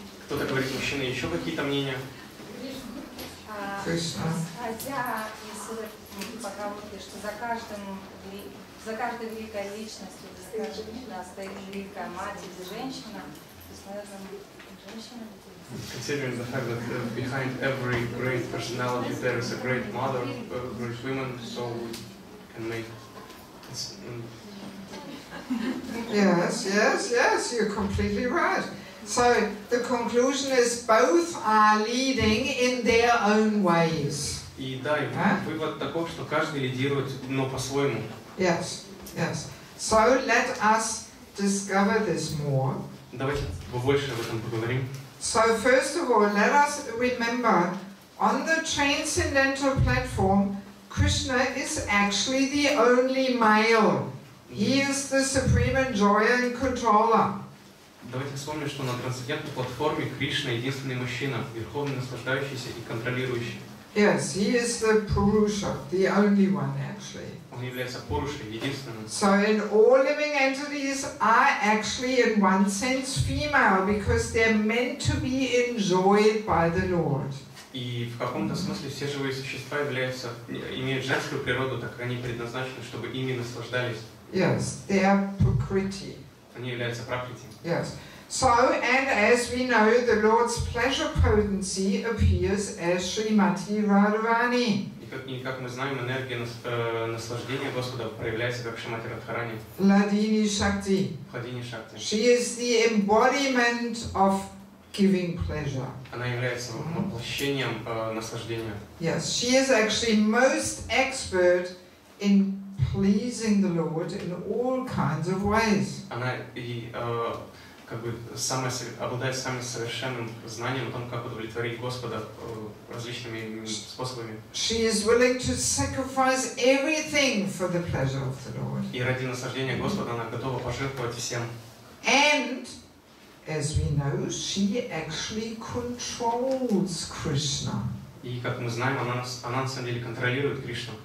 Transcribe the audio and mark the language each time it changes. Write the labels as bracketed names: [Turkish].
[Russian] Кто-то говорит мужчины, еще какие-то мнения? Кришна. Хотя, если вы поговорите, что за каждой великой личностью, за каждой личностью стоит великая мать или женщина, то есть, наверное, женщина. [English] Considering the fact that behind every great personality there is a great mother, a great woman, so we can make... Yes, you're completely right. So the conclusion is both are leading in their own ways. [Russian] И да, и вывод такой, что каждый лидирует, но по-своему. [English] Yes, yes. So let us discover this more. [Russian] Давайте побольше об этом поговорим. [English] So first of all, let us remember, on the transcendental platform, Krishna is actually the only male. He is the supreme enjoyer and controller. [Russian] Давайте вспомним, что на трансцендентной платформе Кришна единственный мужчина, верховный наслаждающийся и контролирующий. [English] Yes, he is the Purusha, the only one actually. [Russian] Он является Пурушей, единственным. [English] So in all living entities are actually in one sense female because they're meant to be enjoyed by the Lord. [Russian] И в каком-то смысле все живые существа имеют женскую природу, так они предназначены, чтобы ими наслаждались. [English] Yes, they are prakriti. [Russian] Они являются пракрити. [English] Yes. So, and as we know, the Lord's pleasure potency appears as Shrimati Radharani. [Russian] И как мы знаем, энергия наслаждения Господа проявляется как Шримати Радхарани. Ладини Шакти. Ладини Шакти. [English] She is the embodiment of giving pleasure. [Russian] Она является воплощением наслаждения. [English] Yes, she is actually most expert in pleasing the Lord in all kinds of ways. [Russian] Она и как бы самая обладает самым совершенным знанием о том, как удовлетворить Господа различными способами. [English] She is willing to sacrifice everything for the pleasure of the Lord. [Russian] И ради наслаждения Господа она готова пожертвовать всем. [English] And as we know, she actually controls Krishna. [Russian] И как мы знаем, она на самом деле контролирует Кришну.